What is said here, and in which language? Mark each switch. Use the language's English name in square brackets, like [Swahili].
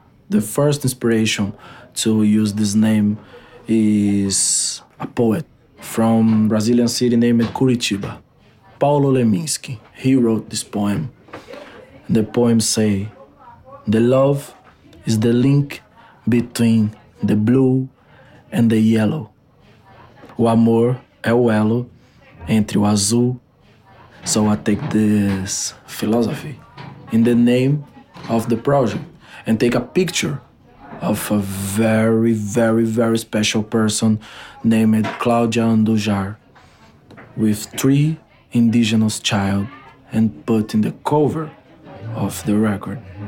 [English] The first inspiration to use this name is a poet from Brazilian city named Curitiba, Paulo Leminski. He wrote this poem. The poem say, the love is the link between the blue and the yellow. [Portuguese] O amor é o elo entre o azul. [English] So I take this philosophy in the name of the project and take a picture of a very, very, very special person named Claudia Andujar with three indigenous child and put in the cover of the record.